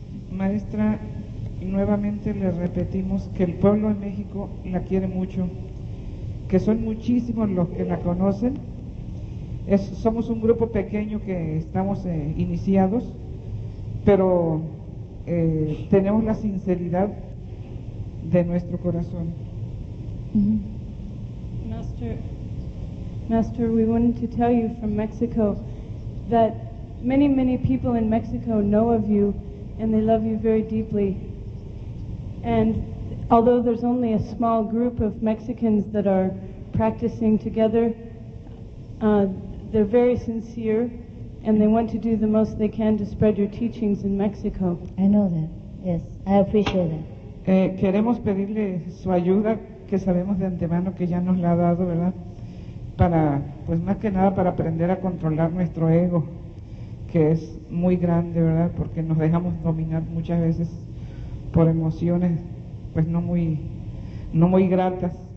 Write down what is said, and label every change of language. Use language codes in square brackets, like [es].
[es] Maestra, nuevamente le repetimos que el pueblo de México la quiere mucho, que son muchísimos los que la conocen. Somos un grupo pequeño que estamos iniciados, pero tenemos la sinceridad de nuestro corazón. [en] Master, we wanted to tell you from Mexico that many, many people in Mexico know of you and they love you very deeply. And although there's only a small group of Mexicans that are practicing together, they're very sincere and they want to do the most they can to spread your teachings in Mexico. I know that. Yes, I appreciate that. [es] Queremos pedirle su ayuda, que sabemos de antemano que ya nos la ha dado, ¿verdad? Para, pues más que nada para aprender a controlar nuestro ego, que es muy grande, ¿verdad? Porque nos dejamos dominar muchas veces por emociones, pues no muy gratas.